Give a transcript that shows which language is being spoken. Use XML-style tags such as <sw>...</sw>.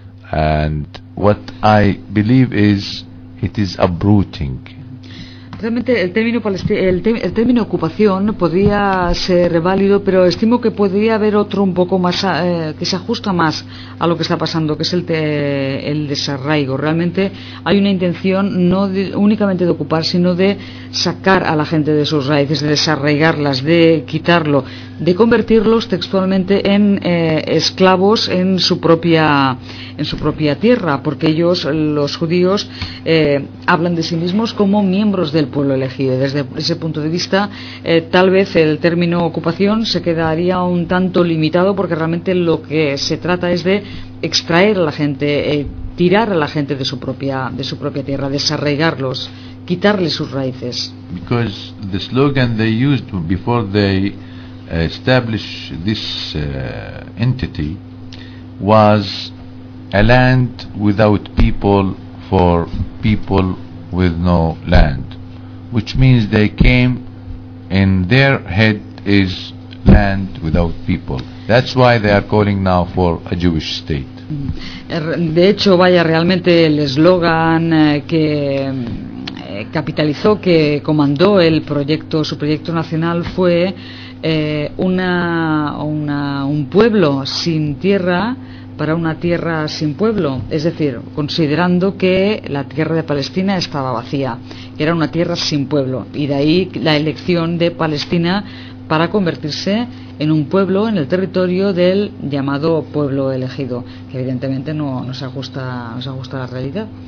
<en>And what I believe is it is uprooting.</en> <es>Realmente el término ocupación podría ser válido, pero estimo que podría haber otro un poco más que se ajusta más a lo que está pasando, que es el desarraigo. Realmente hay una intención no únicamente de ocupar, sino de sacar a la gente de sus raíces, de desarraigarlas, de quitarlo, de convertirlos textualmente en esclavos en su propia tierra, porque ellos, los judíos, hablan de sí mismos como miembros del pueblo elegido. Desde ese punto de vista, tal vez el término ocupación se quedaría un tanto limitado, porque realmente lo que se trata es de extraer a la gente, tirar a la gente de su propia tierra, desarraigarlos, quitarles sus raíces.</es> <en>Because the slogan they used before they establish this entity was a land without people for people with no land, which means they came in their head is land without people. That's why they are calling now for a Jewish state.</en> <es>De hecho, vaya, realmente el eslogan que capitalizó, que comandó el proyecto, su proyecto nacional, fue un pueblo sin tierra para una tierra sin pueblo, es decir, considerando que la tierra de Palestina estaba vacía, era una tierra sin pueblo, y de ahí la elección de Palestina para convertirse en un pueblo en el territorio del llamado pueblo elegido, que evidentemente no se ajusta a la realidad.</es>